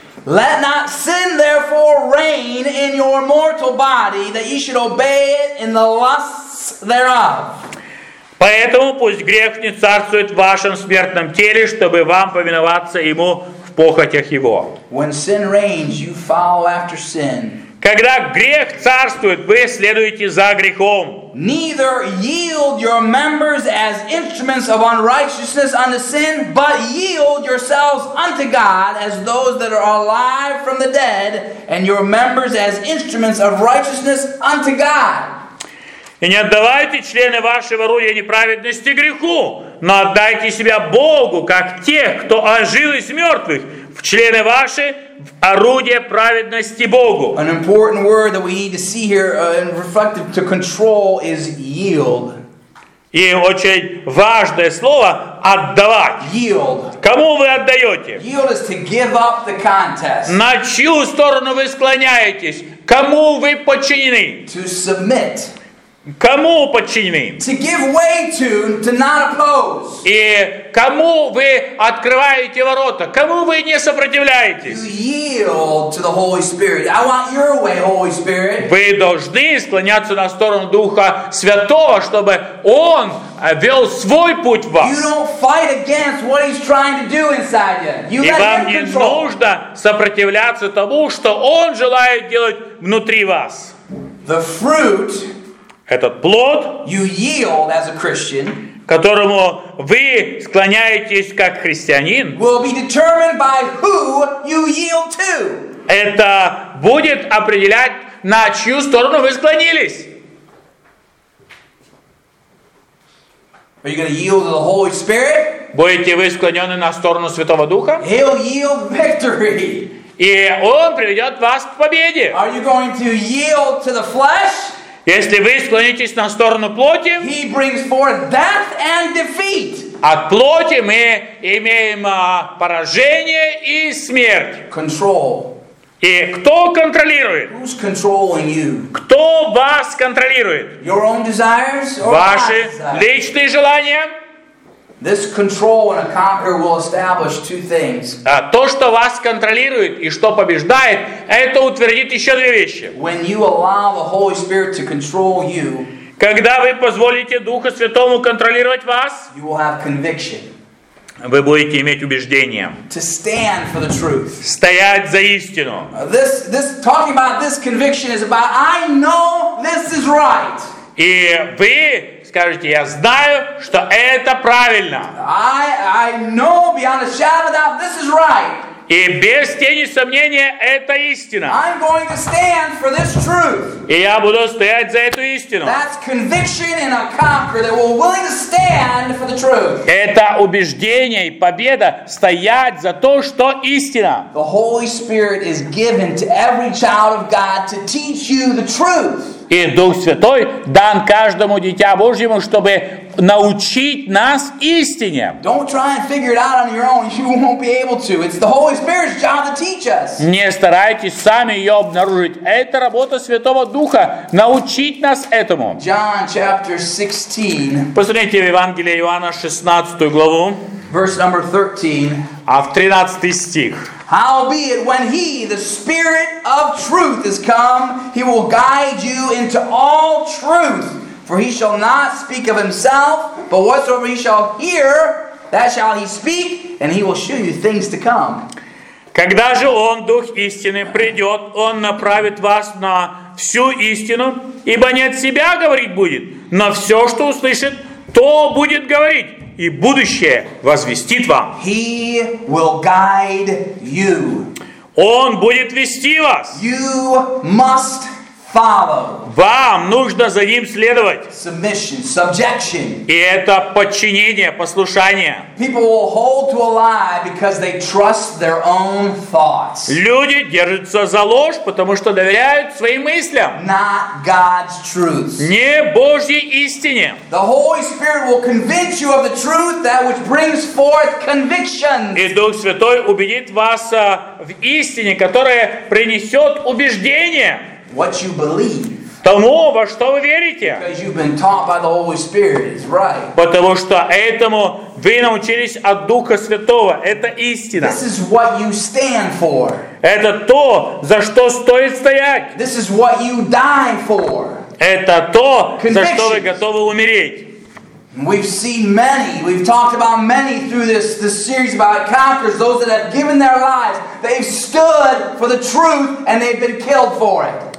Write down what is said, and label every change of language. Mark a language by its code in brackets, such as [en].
[en] Let not sin therefore reign in your mortal body, that ye should obey it in the lusts thereof. [ru] Поэтому пусть грех не царствует в вашем смертном теле, чтобы вам повиноваться ему в похотях его. [en] When sin reigns, you follow after sin. [ru] Когда грех царствует, вы следуете за грехом. [en] Neither yield your members as instruments of unrighteousness unto sin, but yield yourselves unto God as those that are alive from the dead, and your members as instruments of righteousness unto God. [ru] И не отдавайте члены вашего орудия неправедности греху, но отдайте себя Богу, как тех, кто ожил из мертвых, в члены ваши, в орудие праведности Богу. [en] An important word that we need to see here and reflected to control is yield. [ru] И очень важное слово «отдавать». [en] Yield. [ru] Кому вы отдаете? [en] Yield is to give up the contest. [ru] На чью сторону вы склоняетесь? Кому вы подчинены? [en] To submit. [ru] Кому подчинены? [en] To give way to not oppose. [ru] И кому вы открываете ворота? Кому вы не сопротивляетесь? [en] You yield to the Holy Spirit. I want your way, Holy Spirit. [ru] Вы должны склоняться на сторону Духа Святого, чтобы Он вел свой путь в вас. [en] You don't fight against what He's trying to do inside you. let Him control. [ru] И вам не нужно сопротивляться тому, что Он желает делать внутри вас. [en] The fruit. [ru] Этот плод, [en] you yield as a Christian, [ru] которому вы склоняетесь как христианин, [en] will be determined by who you yield to. [ru] Это будет определять, на чью сторону вы склонились. [en] Are you going to yield to the Holy Spirit? [ru] Будете вы склонены на сторону Святого Духа? [en] He'll yield victory. [ru] И Он приведет вас к победе. [en] Are you going to yield to the flesh? [ru] Если вы склонитесь на сторону плоти, [en] He brings forth death and defeat. [ru] От плоти мы имеем поражение и смерть. [en] Control. [ru] И кто контролирует? [en] Who's controlling you? [ru] Кто вас контролирует? [en] Your own desires or [ru] ваши [en] desires? [ru] Личные желания? [en] This control and a conqueror will establish two things. [ru] То, что вас контролирует и что побеждает, это утвердит еще две вещи. [en] When you allow the Holy Spirit to control you, [ru] когда вы позволите Духу Святому контролировать вас, [en] you will have conviction. [ru] Вы будете иметь убеждение. [en] To stand for the truth. [ru] Стоять за истину. [en] This talking about this conviction is about I know this is right. [ru] И вы скажите, я знаю, что это правильно. [en] I know beyond a shadow of doubt this is right. [ru] И без тени сомнения, это истина. [en] I'm going to stand for this truth. [ru] И я буду стоять за эту истину. [en] That's conviction in a conqueror that will willing to stand for the truth. [ru] Это убеждение и победа стоять за то, что истина. [en] The Holy Spirit is given to every child of God to teach you the truth. [ru] И Дух Святой дан каждому дитя Божьему, чтобы научить нас истине. [en] Don't try and figure it out on your own. You won't be able to. It's the Holy Spirit's job to teach us. [ru] Не старайтесь сами ее обнаружить. Это работа Святого Духа научить нас этому. [en] John chapter 16. [ru] Посмотрите в Евангелие Иоанна 16 главу. [en] Verse number 13. [ru] А в 13 стих. [en] Howbeit, when He, the Spirit of truth, is come, He will guide you into all truth. For He shall not speak of Himself, but whatsoever He shall hear, that shall He speak, and He will show you things to come. [ru] Когда же Он, Дух истины, придет, Он направит вас на всю истину, ибо не от Себя говорить будет, но все, что услышит, то будет говорить. И будущее возвестит вам. [en] He will guide you. [ru] Он будет вести вас. [en] You must follow. [ru] Вам нужно за Ним следовать. [en] Submission, subjection. [ru] И это подчинение, послушание. [en] People will hold to a lie because they trust their own thoughts. [ru] Люди держатся за ложь, потому что доверяют своим мыслям. [en] Not God's truth. [ru] Не Божьей истине. [en] The Holy Spirit will convince you of the truth that which brings forth conviction. [ru] И Дух Святой убедит вас в истине, которая принесет убеждение. [en] What you believe. [ru] Тому, во что вы верите. [en] Because you've been taught by the Holy Spirit is right. [ru] Потому что этому вы научились от Духа Святого. Это истина. [en] This is what you stand for. [ru] Это то, за что стоит стоять. [en] This is what you die for. [ru] Это то, за что вы готовы умереть. [en] We've seen many, we've talked about many through this series about conquerors, those that have given their lives. They've stood for the truth and they've been killed for it.